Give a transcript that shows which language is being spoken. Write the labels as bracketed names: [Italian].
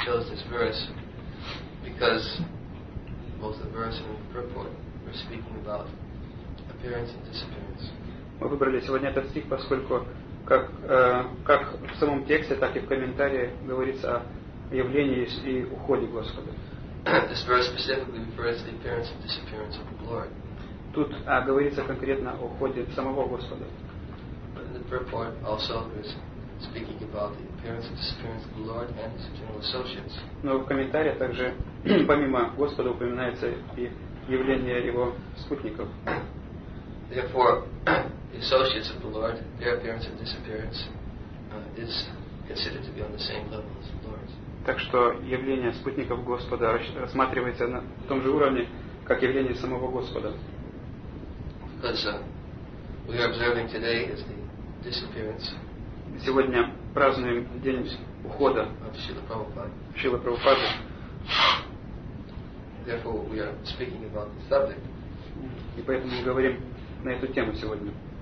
[English] chose this verse because both the verse and the purport were speaking about appearance and disappearance. [Russian] Мы выбрали сегодня этот стих, поскольку как в самом тексте, так и в комментарии говорится о явлении и уходе Господа. [English] This verse specifically refers to the appearance and disappearance of the glory. [Russian] Тут говорится конкретно о уходе самого Господа. [English] But in the purport also is speaking about the appearance and disappearance of the Lord and His eternal associates. [Russian] Но в комментарии также помимо Господа упоминается и явление Его спутников. [English] Therefore, the associates of the Lord, their appearance and disappearance, is considered to be on the same level as the Lord's. [Russian] Так что явление спутников Господа рассматривается на том же уровне, как явление самого Господа. [English] Because we are observing today is the disappearance. [Russian] Сегодня празднуем день ухода Шрилы Прабхупады. [English] Therefore, we are speaking about the subject. [Russian] И поэтому мы говорим на эту тему сегодня.